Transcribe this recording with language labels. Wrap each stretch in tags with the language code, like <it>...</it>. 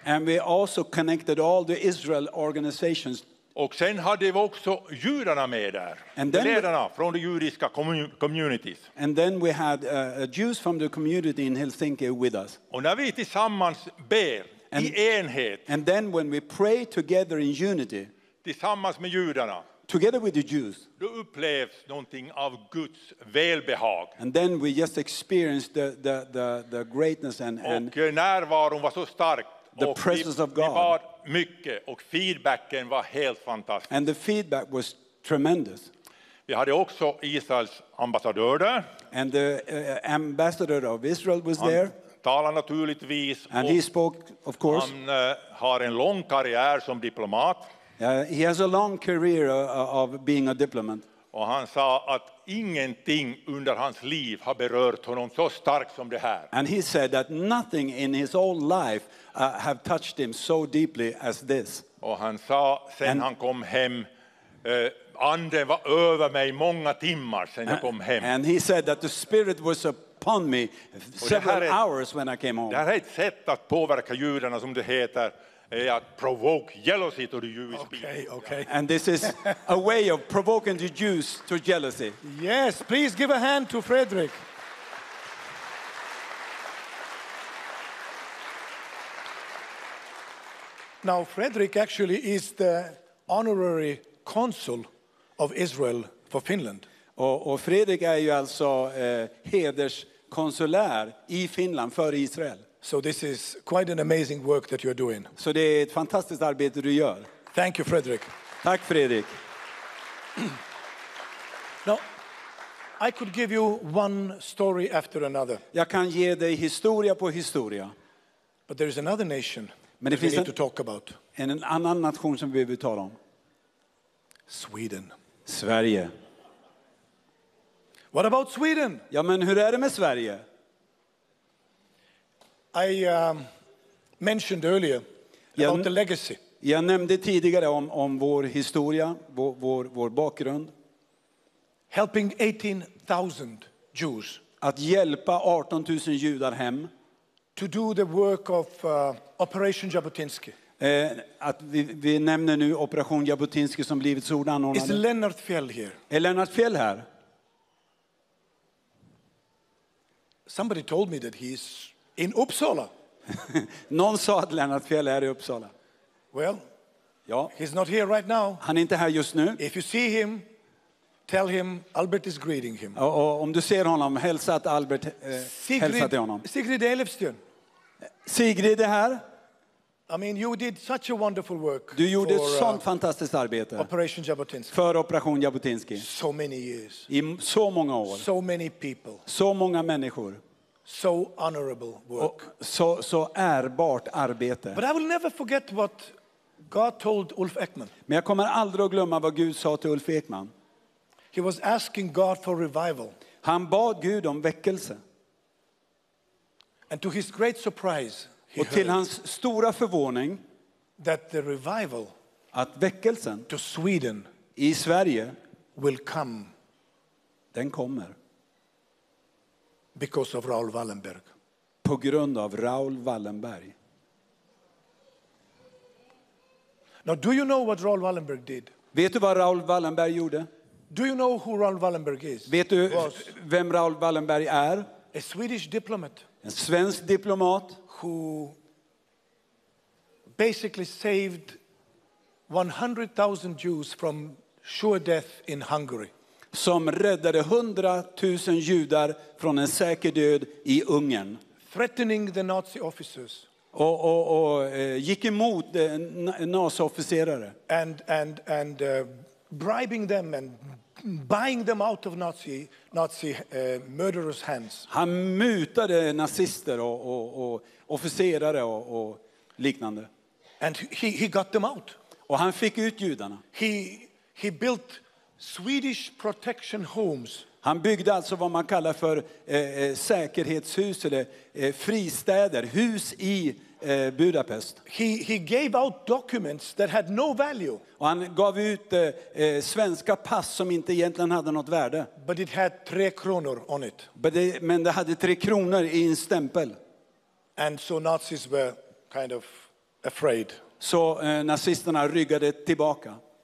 <en>And we also connected all the Israel organizations.</en> <sv>Och sen hade vi också judarna med där. Ledarna från de judiska communities.</sv> <en>And then we had Jews from the community in Helsinki with us.</en> <sv>Och när vi tillsammans ber i enhet.</sv> <en>And then when we pray together in unity.</en> <sv>Tillsammans med judarna.</sv> <en>Together with the Jews.</en> <sv>Du upplevs någonting av Guds välbehag.</sv> <en>And then we just experienced the greatness and</en> <sv>och närvaron var så stark.</sv> <en>The presence of God.</en> <sv>Vi bad mycket och feedbacken var helt fantastisk.</sv> <en>And the feedback was tremendous.</en> <sv>Vi hade också Israels ambassadör där.</sv> <en>And the ambassador of Israel was there.</en> <sv>Talar naturligtvis.</sv> <en>And he spoke, of course.</en> <sv>Han har en lång karriär som diplomat.</sv> <en>He has a long career of being a diplomat.</en> <sv>Och han sa att ingenting under hans liv har berört honom så starkt som det här.</sv> <en>And he said that nothing in his whole life have touched him so deeply as this.</en> <sv>Och han sa sen</sv> <en>and,</en> <sv>han kom hem anden var över mig många timmar sen jag kom hem.</sv> <en>And he said that the spirit was upon me several hours when I came home.</en> <sv>Det här är ett sätt att påverka judarna som det heter.</sv> <en>Provoke jealousy to the Jews. Okay. And this is a way of provoking the Jews to jealousy. Yes, please give a hand to Fredrik. Now, Fredrik actually is the honorary consul of Israel for Finland.</en> <sv>Och Fredrik är ju alltså hederskonsulär i Finland för Israel.</sv> <en>So this is quite an amazing work that you're doing.</en> <sv>Så det är ett fantastiskt arbete du gör.</sv> <en>Thank you, Fredrik.</en> <sv>Tack, Fredrik.</sv> <en>Now, I could give you one story after another.</en> <sv>Jag kan ge dig historia på historia.</sv> <en>But there is another nation that we need to talk about.</en> <sv>En annan nation som vi vill tala om.</sv> <en>Sweden.</en> <sv>Sverige.</sv> <en>What about Sweden?</en> <sv>Ja, men hur är det med Sverige?</sv> <en>I mentioned earlier about the legacy.</en> <sv>Jag nämnde tidigare om vår historia, vår bakgrund.</sv> <en>Helping 18,000 Jews.</en> <sv>Att hjälpa 18,000 judar hem.</sv> <en>To do the work of Operation Jabotinsky.</en> <sv>Att vi nämner nu Operation Jabotinsky som Livets Ord anordnade.</sv> <en>Is Lennart Fjell here?</en> <sv>Är Lennart Fjell här?</sv> <en>Somebody told me that he's in Uppsala.</en> <sv>Någon sa att Lennart Fjell är i Uppsala.</sv> <en>Well,</en> <sv>ja.</sv> <en>He's not here right now.</en> <sv>Han är inte här just nu.</sv> <en>If you see him, tell him Albert is greeting him.</en> <sv>Och om du ser honom, hälsa att Albert hälsar till honom.</sv> <en>Sigrid Elifstjön.</en> <sv>Sigrid är här.</sv> <en>I mean, you did such a wonderful work.</en> <sv>Du gjorde sånt fantastiskt arbete.</sv> <en>Operation Jabotinsky.</en> <sv>För Operation Jabotinsky.</sv> <en>So many years.</en> <sv>I så många år.</sv> <en>So many people.</en> <sv>Så många människor.</sv> <en>So honorable work.</en> <sv>Så ärbart arbete.</sv> <en>But I will never forget what God told Ulf Ekman.</en> <sv>Men jag kommer aldrig att glömma vad Gud sa till Ulf Ekman.</sv> <en>He was asking God for revival.</en> <sv>Han bad Gud om väckelse.</sv> <en>And to his great surprise,</en> <sv>och till hans stora förvåning</sv> <en>that the revival</en> <sv>att väckelsen</sv> <en>to Sweden</en> <sv>i Sverige</sv> <en>will come,</en> <sv>den kommer</sv> <en>because of Raoul Wallenberg,</en> <sv>på grund av Raoul Wallenberg.</sv> <en>Now do you know what Raoul Wallenberg did?</en> <sv>Vet du vad Raoul Wallenberg gjorde?</sv> <en>Do you know who Raoul Wallenberg is?</en> <sv>Vet du vem Raoul Wallenberg är?</sv> <en>A Swedish diplomat.</en> <sv>En svensk diplomat.</sv> <en>Who basically saved 100,000 Jews from sure death in Hungary.</en> <sv>Som räddade 100,000 judar från en säker död i Ungern.</sv> <en>Threatening the Nazi officers.</en> <sv>Och gick emot Nazi-officerare.</sv> <en>And bribing them and buying them out of Nazi murderous hands.</en> <sv>Han mutade nazister och officerare och liknande.</sv> <en>And he got them out.</en> <sv>Och han fick ut judarna.</sv> <en>He built Swedish protection homes.</en> <sv>Han byggde alltså vad man kallar för säkerhetshus eller fristäder, hus i Budapest.</sv> <en>He gave out documents that had no value.</en> <sv>Och han gav ut svenska pass som inte egentligen hade något värde.</sv> <en>But it had 3 kronor on it.</en> <sv>Men det hade 3 kronor i en stämpel.</sv> <en>And so Nazis were kind of afraid.</en> <sv>Så nazisterna ryggade tillbaka.</sv>